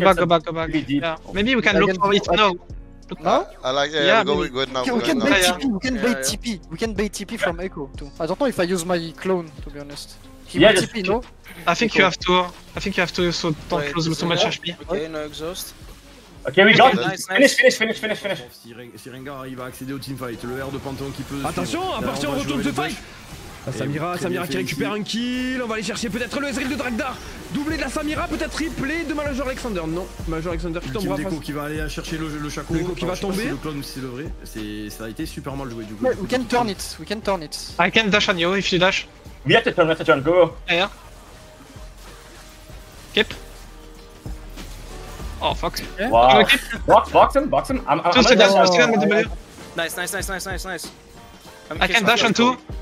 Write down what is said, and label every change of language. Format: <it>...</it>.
<en>go back. Deep. Yeah. Maybe we can look for it now. No? I like it, yeah, we go now. We can bait TP, we can bait TP from Echo too. I don't know if I use my clone, to be honest. TP, no? I think you have to, so don't close with so much HP. Okay, no exhaust. Ok, we got it. Finish.</en> <fr>Si Rengar arrive à accéder au teamfight, le R de Panthéon qui peut. Attention, à partir en retour de fight. Samira qui récupère un kill. On va aller chercher peut-être le Ezreal de Dragdar. Doublé de la Samira, peut-être triplé de Major Alexander. Non, Major Alexander qui tombe. Déco qui va aller chercher le Shaco. Déco qui va tomber. C'est le clone ou c'est le vrai. Ça a été super mal joué du coup.</fr> <en>We can turn it. I can dash on you if you dash. We have to turn it on, go. Yeah. Keep. Oh fuck. Wow. Box him. Nice. I can dash on two.</en>